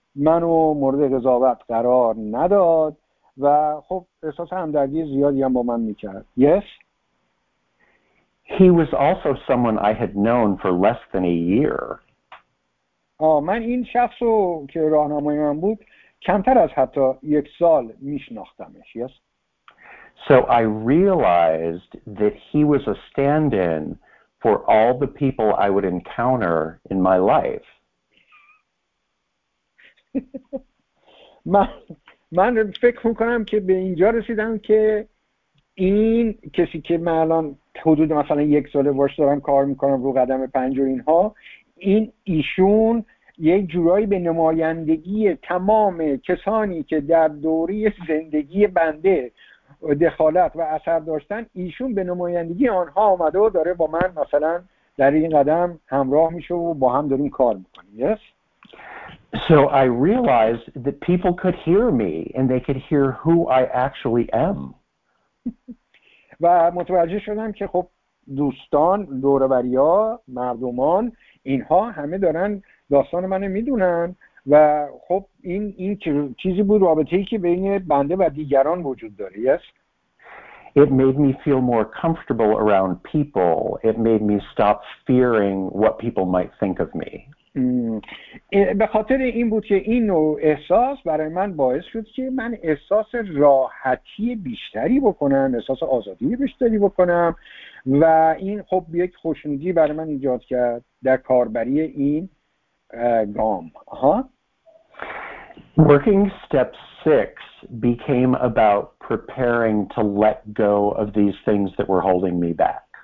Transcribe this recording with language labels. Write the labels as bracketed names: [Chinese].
[Persian] منو مورد قضاوت قرار نداد و خب احساس همدردی زیادی هم با من میکرد. [English] Yes. He was also someone I had known for less than a year. [Persian] من این شخصو که راهنمای من بود کمتر از حتی یک سال میشناختمش. [English] Yes. So I realized that he was a stand-in for all the people I would encounter in my life. [Persian] من فکر میکنم که به اینجا رسیدم که این کسی که من الان حدود مثلا یک ساله باش دارم کار میکنم رو قدم پنج و اینها، این ایشون یه جورایی به نمایندگی تمام کسانی که در دوری زندگی بنده دخالت و اثر داشتن، ایشون به نمایندگی آنها آمده و داره با من مثلا در این قدم همراه میشه و با هم داریم کار میکنیم. [English] Yes. So I realized that people could hear me and they could hear who I actually am. [Persian] و متوجه شدم که خب دوستان، دوروریا، مردمان، اینها همه دارن داستان منو میدونن و خب این چیزی بود، رابطه‌ای که بین بنده و دیگران وجود داره. [English] Yes. It made me feel more comfortable around people. It made me stop fearing what people might think of me. [Persian] به خاطر این بود که این نوع احساس برای من باعث شد که من احساس راحتی بیشتری بکنم، احساس آزادی بیشتری بکنم و این خب یک خوشنودی برای من ایجاد کرد در کاربری این گام. [English] Working step 6 became about preparing to let go of these things that were holding me back.